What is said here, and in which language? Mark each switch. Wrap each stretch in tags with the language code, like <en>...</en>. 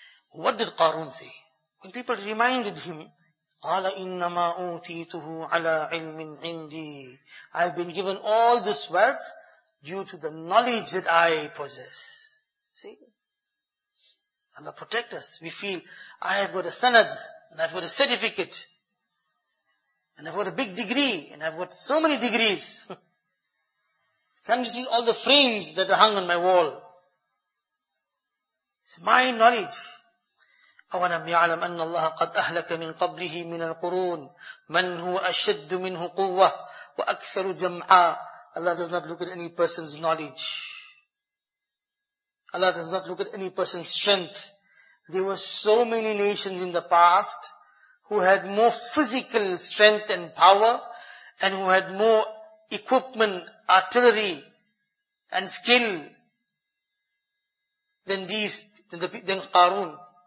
<en>What did Qarun say? When people reminded him,</en> <ar>قَالَ إِنَّمَا أُوْتِيتُهُ عَلَىٰ عِلْمٍ عِنْدِي</ar> <en>I've been given all this wealth due to the knowledge that I possess. See? Allah protect us. We feel, I have got a sanad, and I've got a certificate, and I've got a big degree, and I've got so many degrees. Can't you see all the frames that are hung on my wall? It's my knowledge.</en> <ar>أَوَلَمْ يَعْلَمْ أَنَّ اللَّهَ قَدْ أَهْلَكَ مِنْ قَبْلِهِ مِنَ الْقُرُونَ مَنْ هُوَ أَشَدُّ مِنْهُ قُوَّةٌ وَأَكْثَرُ جَمْعًا</ar> <en>Allah does not look at any person's knowledge. Allah does not look at any person's strength. There were so many nations in the past who had more physical strength and power and who had more equipment, artillery and skill than Qarun.</en>